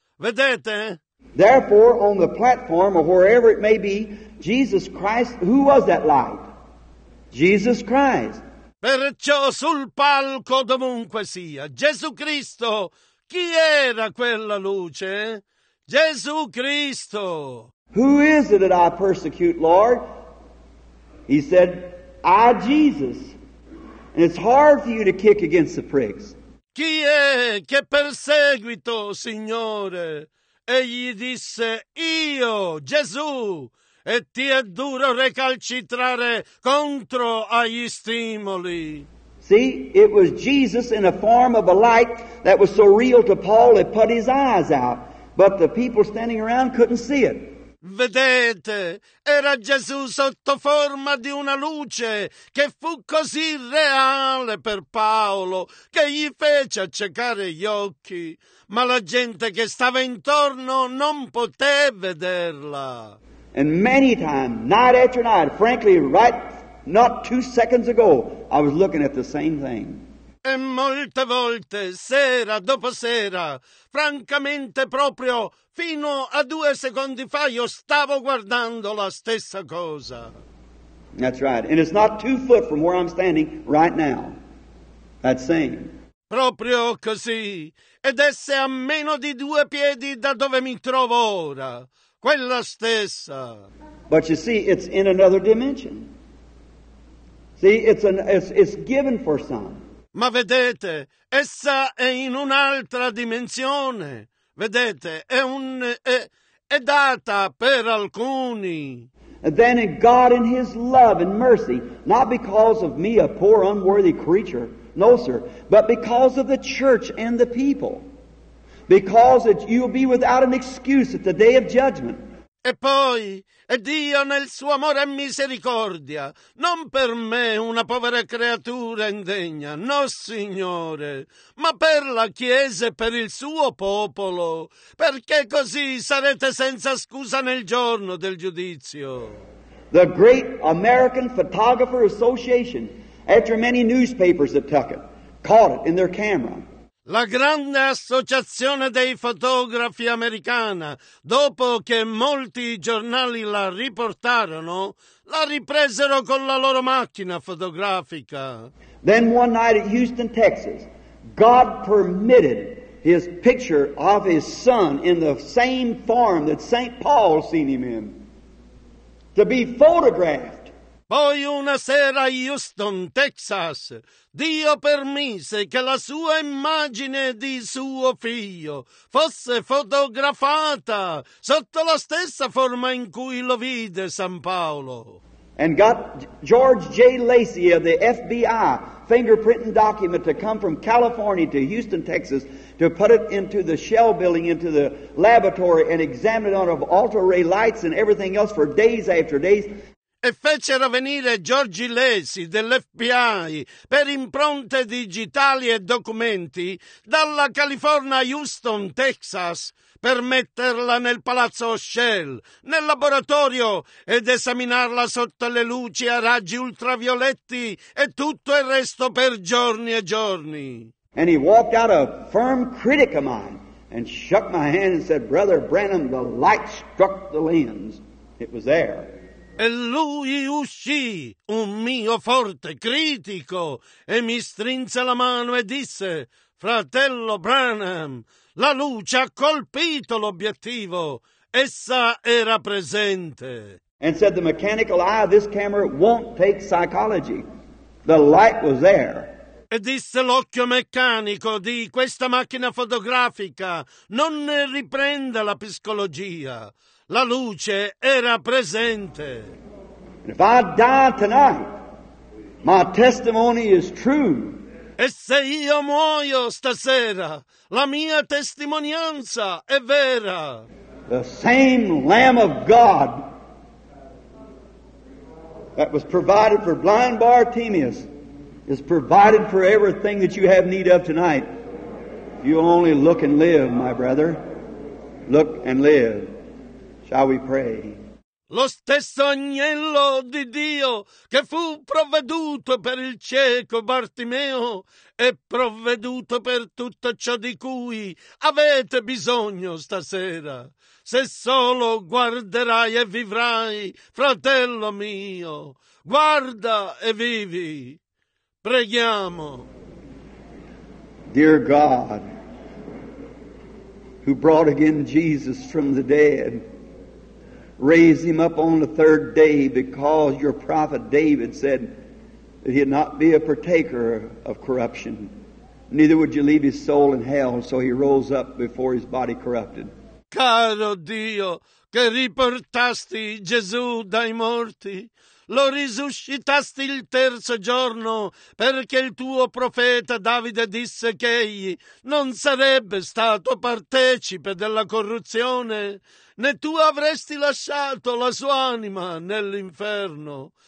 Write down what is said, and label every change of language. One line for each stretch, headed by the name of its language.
Italian: Vedete?
English: Therefore, on the platform or wherever it may be, Jesus Christ, who was that light? Jesus Christ.
Italian: Perciò sul palco, dovunque sia, Gesù Cristo, chi era quella luce? Gesù Cristo!
English: Who is it that I persecute, Lord? He said, I, Jesus. And it's hard for you to kick against the pricks.
Italian: Chi è che perseguito, Signore? Egli disse, io, Gesù! E ti è duro recalcitrare contro agli stimoli.
English: See, it was Jesus in a form of a light that was so real to Paul it put his eyes out, but the people standing around couldn't see it.
Italian: Vedete, era Gesù sotto forma di una luce che fu così reale per Paolo che gli fece accecare gli occhi, ma la gente che stava intorno non poté vederla.
English: And many times, night after night, frankly, right not 2 seconds ago, I was looking at the same thing.
Italian: E molte volte, sera dopo sera, francamente proprio fino a 2 secondi fa, io stavo guardando la stessa cosa.
English: That's right. And it's not 2 foot from where I'm standing right now. That same.
Italian: Proprio così. Ed esse a meno di 2 piedi da dove mi trovo ora. Quella stessa.
English: But you see, it's in another dimension. See, it's given for some.
Italian: Ma vedete, essa è in un'altra dimensione. Vedete, è data per alcuni.
English: And then in God in His love and mercy, not because of me, a poor unworthy creature, no sir, but because of the church and the people. Because it, you'll be without an excuse at the day of judgment.
Italian: E poi, e Dio nel suo amore e misericordia, non per me una povera creatura indegna, no Signore, ma per la Chiesa e per il suo popolo, perché così sarete senza scusa nel giorno del giudizio.
English: The great American Photographer Association, after many newspapers that took it, caught it in their camera.
Italian: La grande associazione dei fotografi americana, dopo che molti giornali la riportarono, la ripresero con la loro macchina fotografica.
English: Then one night at Houston, Texas, God permitted his picture of his son in the same form that St. Paul seen him in, to be photographed.
Italian: Poi una sera a Houston, Texas, Dio permise che la sua immagine di suo figlio fosse fotografata sotto la stessa forma in cui lo vide San Paolo.
English: And got George J. Lacey of the FBI fingerprinting document to come from California to Houston, Texas, to put it into the shell building, into the laboratory, and examine it on of ultra ray lights and everything else for days after days.
Italian: E fecero venire George Lacey dell'FBI per impronte digitali e documenti dalla California a Houston, Texas, per metterla nel palazzo Shell, nel laboratorio, ed esaminarla sotto le luci a raggi ultravioletti e tutto il resto per giorni e giorni.
English: And he walked out a firm critic of mine and shook my hand and said, Brother Branham, the light struck the lens. It was there.
Italian: E lui uscì, un mio forte critico, e mi strinse la mano e disse, Fratello Branham, la luce ha colpito l'obiettivo, essa era presente.
English: And said the mechanical eye of this camera won't take psychology. The light was there.
Italian: E disse l'occhio meccanico di questa macchina fotografica non ne riprende la psicologia. La luce era presente.
English: And if I die tonight, my testimony is true.
Italian: E se io muoio stasera, la mia testimonianza è vera.
English: The same Lamb of God that was provided for blind Bartimaeus is provided for everything that you have need of tonight. You only look and live, my brother. Look and live. Shall we pray?
Italian: Lo stesso agnello di Dio che fu provveduto per il cieco Bartimeo è provveduto per tutto ciò di cui avete bisogno stasera. Se solo guarderai e vivrai, fratello mio, guarda e vivi. Preghiamo.
English: Dear God, who brought again Jesus from the dead, raise him up on the third day because your prophet David said that he'd not be a partaker of corruption, neither would you leave his soul in hell, so he rose up before his body corrupted.
Italian: Caro Dio, che riportasti Gesù dai morti, lo risuscitasti il terzo giorno perché il tuo profeta Davide disse che egli non sarebbe stato partecipe della corruzione, né tu avresti lasciato la sua anima nell'inferno.